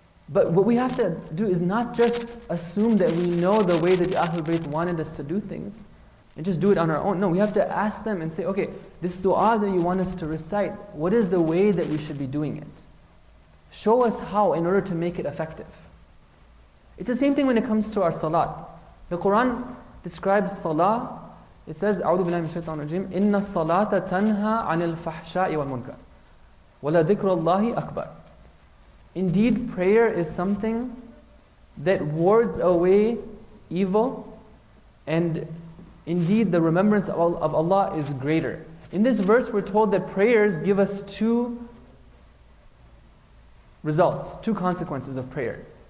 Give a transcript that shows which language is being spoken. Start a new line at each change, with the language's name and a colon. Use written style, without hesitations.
English: But what we have to do is not just assume that we know the way that the Ahlul Bayt wanted us to do things and just do it on our own. No, we have to ask them and say, okay, this dua that you want us to recite, what is the way that we should be doing it? Show us how in order to make it effective. It's the same thing when it comes to our salat. The Quran describes salah. It says,
Arabic: أعوذ بالله من الشيطان الرجيم, إِنَّ الصَّلَاةَ تَنْهَى عَنِ الْفَحْشَاءِ وَالْمُنْكَرِ وَلَذِكْرُ اللَّهِ أَكْبَرِ.
English: Indeed, prayer is something that wards away evil, and indeed the remembrance of Allah is greater. In this verse, we're told that prayers give us two results, two consequences of prayer.